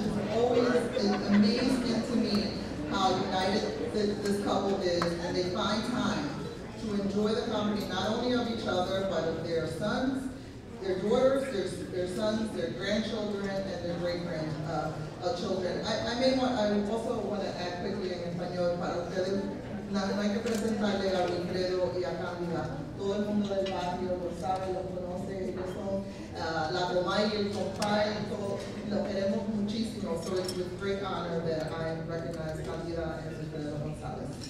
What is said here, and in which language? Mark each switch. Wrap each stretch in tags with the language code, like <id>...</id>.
<en>It amazed me to me how united this couple is, and they find time to enjoy the company not only of each other, but of their sons, their daughters, their sons, their grandchildren, and their great-grandchildren. I also want to add quickly in</en> <es>español para ustedes. Nada más que presentarle a Wilfredo y a Camila. Todo el mundo del barrio lo sabe, lo conoce, ellos son la mamá y el papá, y todo, lo queremos muchísimo.</es> <en>So it's with great honor that I recognize Camila and Wilfredo González.</en>